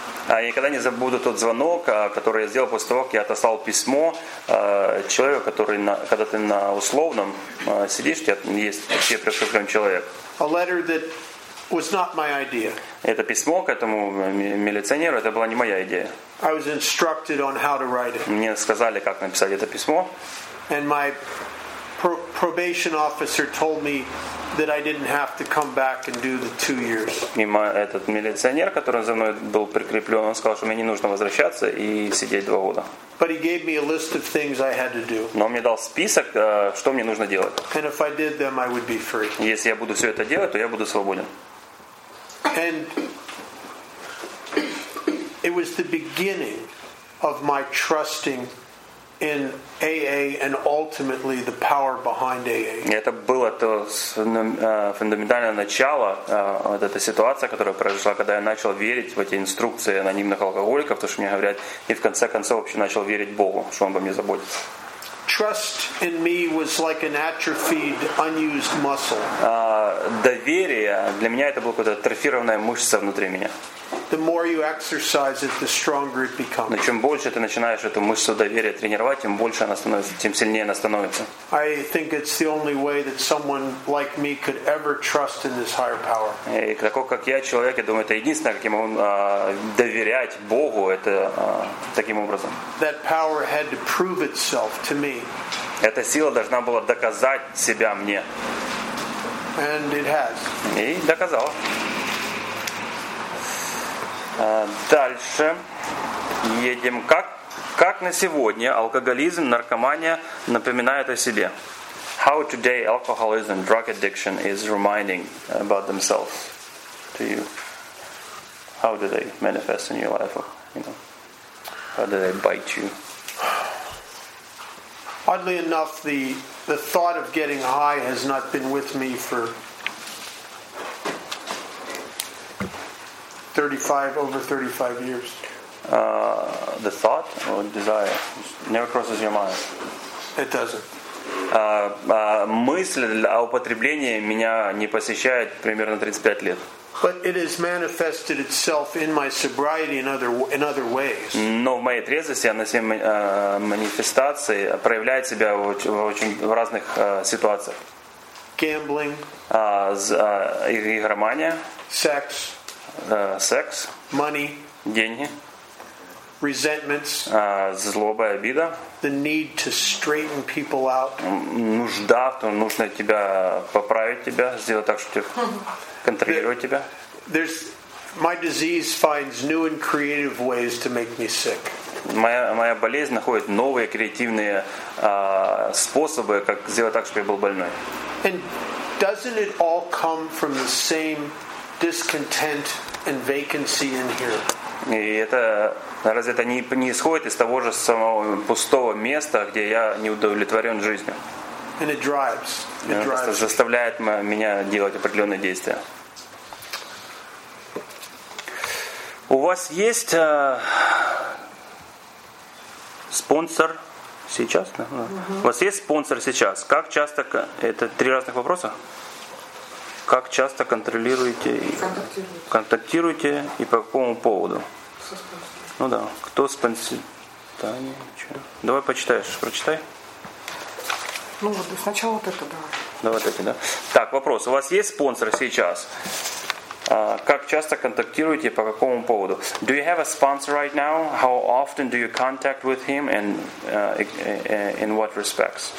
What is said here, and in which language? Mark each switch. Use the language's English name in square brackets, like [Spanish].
[Russian] Я никогда не забуду тот звонок, который я сделал после того, как я отослал письмо человеку, который когда ты на условном сидишь, есть все пришедшие человек. [English] A letter that was not my idea. [Russian] Это письмо к этому милиционеру, это была не моя идея. [English] I was instructed on how to write it. [Russian] Мне сказали, как написать это письмо. [English] And my probation officer told me that I didn't have to come back and do the 2 years. [Russian] И этот милиционер, который за мной был прикреплен, он сказал, что мне не нужно возвращаться и сидеть 2 года. [English] But he gave me a list of things I had to do. [Russian] Но он мне дал список, что мне нужно делать. [English] And if I did them, I would be free. [Russian] Если я буду все это делать, то я буду свободен. [English] And it was the beginning of my trusting in AA and ultimately the power behind AA. [Russian] Это было то фундаментальное начало вот эта ситуация, которая произошла, когда я начал верить в эти инструкции анонимных алкоголиков, то что мне говорят, и в конце концов вообще начал верить Богу, что он обо мне заботится. [English] Trust in me was like an atrophied, unused muscle. [Russian] Доверие для меня это была какая-то атрофированная мышца внутри меня. [English] The more you exercise it, the stronger it becomes. [Russian] Но чем больше ты начинаешь эту мышцу доверия тренировать, тем больше она становится, тем сильнее она становится. [English] I think it's the only way that someone like me could ever trust in this higher power. [Russian] И такой как я человек, я думаю, это единственное, как я могу доверять Богу, это таким образом. [English] That power had to prove itself to me. [Russian] Эта сила должна была доказать себя мне. [English] And it has. [Russian] И доказала. Дальше едем. Как на сегодня алкоголизм, наркомания напоминают о себе? [English] How today alcoholism, drug addiction is reminding about themselves to you? How do they manifest in your life? Or, you know, how do they bite you? Oddly enough, the thought of getting high has not been with me for 35 years. The thought or desire never crosses your mind. It doesn't. [Russian] Мысль о употреблении меня не посещает примерно 35 лет. [English] But it has manifested itself in my sobriety in other ways. [Russian] Но в моей трезвости она себя манифестации проявляет себя в очень разных ситуациях. [English] Gambling. [Russian] Игромания. [English] Sex. Sex, money, [Russian] деньги, [English] resentments, [Russian] злоба и обида, [English] the need to straighten people out, [Russian] нужда, то нужно тебя поправить тебя, сделать так, чтобы контролировать тебя. [English] There's my disease finds new and creative ways to make me sick. [Russian] Моя болезнь находит новые креативные способы, как сделать так, чтобы я был больной. [English] And doesn't it all come from the same discontent and vacancy in here? [Russian] И это разве это не исходит из того же самого пустого места, где я не удовлетворен жизнью? [English] And it drives. [Russian] Это заставляет меня делать определенные действия. У вас есть спонсор сейчас? У вас есть спонсор сейчас? Как часто? Это три разных вопроса. Как часто контролируете, контактируете и по какому поводу? Ну да, кто спонсирует? Да, ничего. Давай почитаешь, прочитай. Ну вот, сначала вот это давай. Давай вот эти, да? Так, вопрос. У вас есть спонсор сейчас? Как часто контактируете и по какому поводу? [English] Do you have a sponsor right now? How often do you contact with him and in what respects?